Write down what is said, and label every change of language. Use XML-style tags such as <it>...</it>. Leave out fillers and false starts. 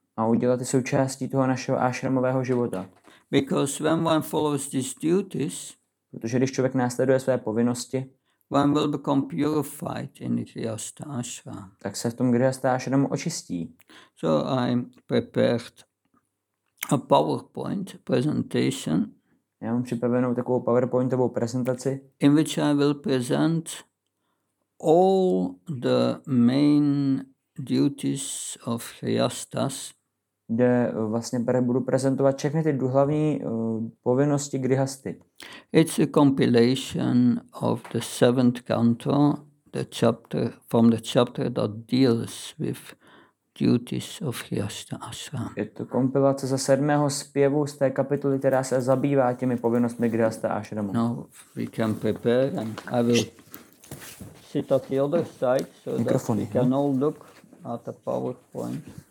<cs>A udělat je součástí toho našeho ashramového života.</cs> <en>Because when one follows these duties,</en> <cs>protože když člověk následuje své povinnosti,</cs> <en>one will become purified in the Hriasta Ashram.</en> <cs>Tak se v tom Hriasta Ashramu očistí.</cs> <en>So I prepared a PowerPoint presentation.</en> <cs>Já mám připravenou takovou PowerPointovou prezentaci.</cs> <en>In which I will present all the main duties of Hriastas.</en> <cs>Kde vlastně budu prezentovat všechny ty hlavní povinnosti grihasty.</cs> <en>It's a compilation of the seventh canto, the chapter from the chapter that deals with duties of Hriasta Ashram.</en> <cs>Je to kompilace ze sedmého zpěvu z té kapitoly, která se zabývá těmi povinnostmi Hriasta Ashramu.</cs> <en>No, we can prepare and I will sit at the other side so</en> <cs>mikrofony,</cs> <en>that we can all look at the PowerPoint.</en>